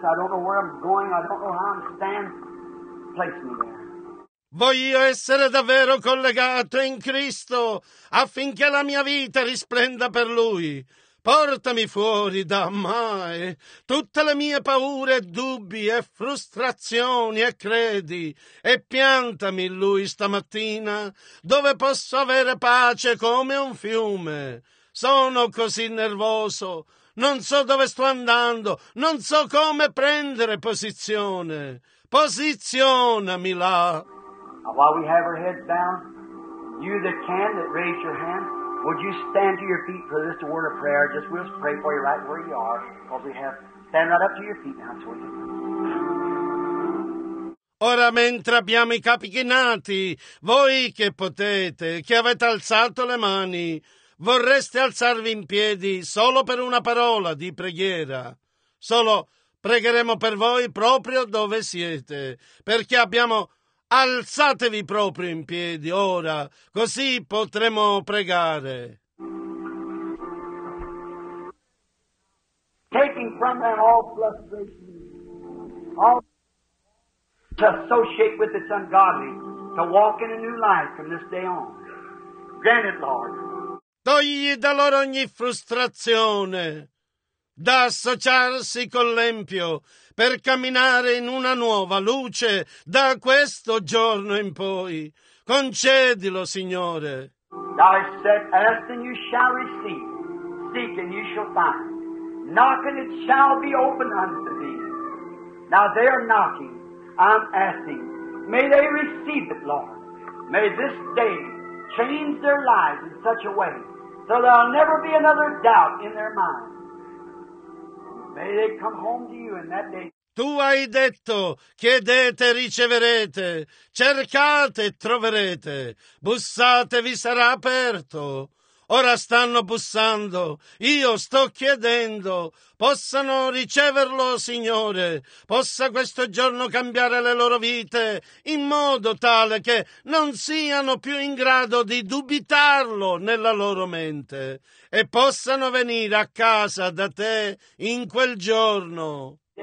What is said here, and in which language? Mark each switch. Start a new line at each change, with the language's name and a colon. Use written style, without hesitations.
English: I don't know where I'm going. I don't know how I'm standing. Place me there.
Italian: Voglio essere davvero collegato in Cristo affinché la mia vita risplenda per Lui. Portami fuori da mai tutte le mie paure, dubbi e frustrazioni e credi e piantami in Lui stamattina dove posso avere pace come un fiume. Sono così nervoso, non so dove sto andando, non so come prendere posizione. Posizionami là.
English: While we have our heads down, you that can, that raise your hand. Would you stand to your feet for this word of prayer? Just we'll pray for you right where you are. Because we have. Stand right up to your feet now, sweetie.
Italian: Ora mentre abbiamo i capi chinati, voi che potete, che avete alzato le mani, vorreste alzarvi in piedi solo per una parola di preghiera? Solo pregheremo per voi proprio dove siete, perché abbiamo. Alzatevi proprio in piedi ora, così potremo pregare.
English: Taking from them all frustration, all to associate with its ungodly, to walk in a new life from this day on. Grant it, Lord.
Italian: Togli da loro ogni frustrazione, da associarsi con l'empio, per camminare in una nuova luce da questo giorno in poi. Concedilo, Signore.
English: Thou hast said, ask and you shall receive. Seek and you shall find. Knock and it shall be opened unto thee. Now they are knocking. I'm asking. May they receive it, Lord. May this day change their lives in such a way so there'll never be another doubt in their mind. May they come home to you in that day.
Italian: Tu hai detto, chiedete e riceverete, cercate e troverete, bussate vi sarà aperto. ora stanno bussando, io sto chiedendo, possano riceverlo, Signore, possa questo giorno cambiare le loro vite in modo tale che non siano più in grado di dubitarlo nella loro mente e possano venire a casa da te in quel giorno.